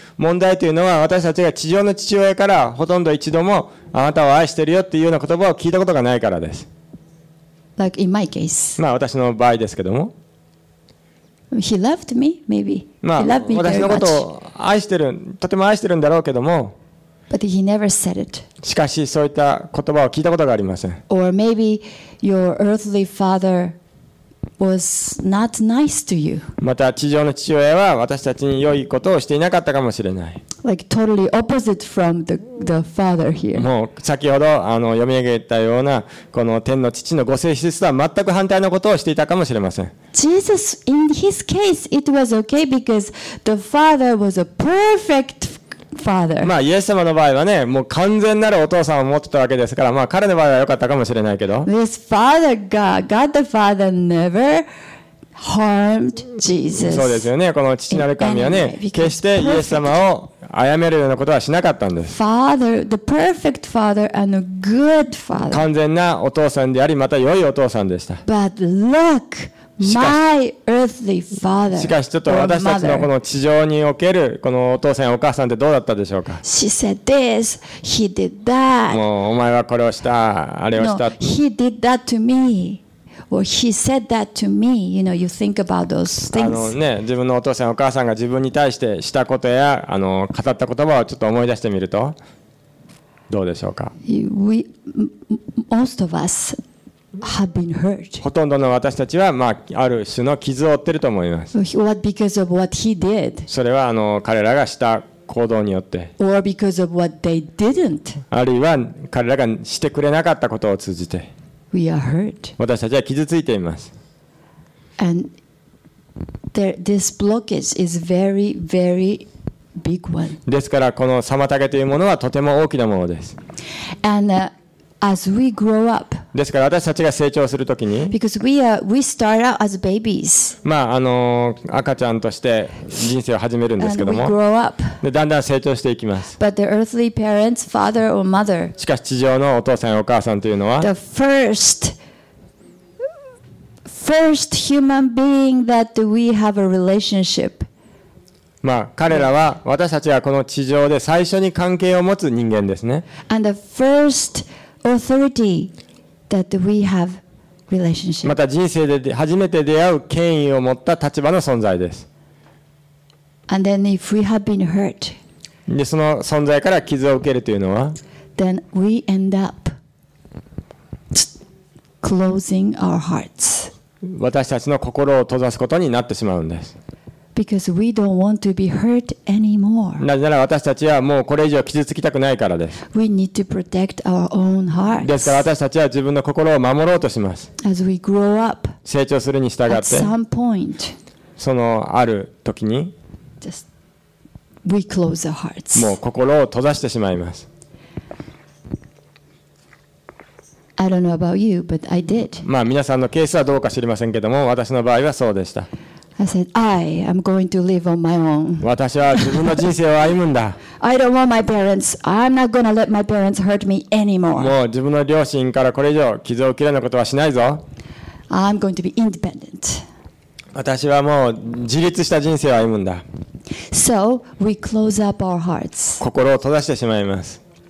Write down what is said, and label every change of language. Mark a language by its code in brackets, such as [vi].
[ja] 問題というのは私たちが地上の父親からほとんど一度もあなたを愛してるよっていうような言葉を聞いたことがないからです。 [en] Like in my case. [ja] まあ私の場合ですけども。 [en] He loved me, maybe. まあ、 he loved me very much. [ja] 私のことを愛してる、とても愛してるんだろうけども、 [en] But he never said it. [ja] しかしそういった言葉を聞いたことがありません。 [en] Or maybe your earthly father was not nice to you. [ja] また地上の父親は私たちに良いことをしていなかったかもしれない。 [en] Like totally opposite from the father here. [ja] もう先ほど読み上げたようなこの天の父のご性質とは全く反対のことをしていたかもしれません。 [en] Jesus, in his case, it was okay because the father was a perfect father. [ja] まあイエス様の場合はね、もう完全なるお父さんを持ってたわけですから、まあ彼の場合は良かったかもしれないけど。 [en] This father God the father never. Harmed Jesus. [ja] そうですよね。この父なる神はね、決してイエス様を殺めるようなことはしなかったんです。 [en] Father, the perfect father and a good father. [ja] 完全なお父さんであり、また良いお父さんでした。 [en] But look, my earthly father. [ja] しかしちょっと私たちのこの地上におけるこのお父さんやお母さんってどうだったでしょうか。 [en] She said this, he did that. [ja] もうお前はこれをした、あれをした。 [en] No, he did that to me. Or he said that to me. You know, you think about those things. [ja] ね、自分のお父さんお母さんが自分に対してしたことや語った言葉をちょっと思い出してみるとどうでしょうか。 [en] Most of us have been hurt. [ja] ほとんどの私たちはまあある種の傷を負ってると思います。 [en] What because of what he did? [ja] それは彼らがした行動によって。 [en] Or because of what they didn't. [ja] あるいは彼らがしてくれなかったことを通じて。 [en] We are hurt. [ja] 私たちは傷ついています。 [en] And this blockage is very, very big one. [ja] ですからこの妨げというものはとても大きなものです。 [en] And as we grow up, [ja] ですから私たちが成長するときに、 [en] because we start out as babies. [ja] まあ赤ちゃんとして人生を始めるんですけども、 [en] and we grow up. [ja] でだんだん成長していきます。 [en] But the earthly parents, father or mother, [ja] しかし地上のお父さんやお母さんというのは、 [en] the first human being that we have a relationship. [ja] まあ彼らは私たちがこの地上で最初に関係を持つ人間ですね。 [en] And the firstAuthority that we have relationship. [ja] また人生で初めて出会う権威を持った立場の存在です。 [en] And then if we have been hurt, [ja] でその存在から傷を受けるというのは、 [en] then we end up closing our hearts. [ja] 私たちの心を閉ざすことになってしまうんです。 [en] Because we don't want to be hurt anymore. [ja] なぜなら私たちはもうこれ以上傷つきたくないからです。 [en] We need to protect our own hearts. [ja] ですから私たちは自分の心を守ろうとします。 [en] As we grow up. [ja] 成長するに従って、 [en] at some point, [ja] そのある時に、 [en] just we close our hearts. [ja] もう心を閉ざしてしまいます。 [en] I don't know about you, but I did. [ja] まあ皆さんのケースはどうか知りませんけども、私の場合はそうでした。 [en] I said, I am going to live on my own. [ja] 私は自分の人生を歩むんだ。 [en] I don't want my parents. I'm not going to let my parents hurt me anymore. [ja] もう自分の両親からこれ以上傷を受けるようなことはしないぞ。 [en] I'm going to be independent. [ja] 私はもう自立した人生を歩むんだ。 [en] So we close up our hearts. [ja] 心を閉ざしてしまいます。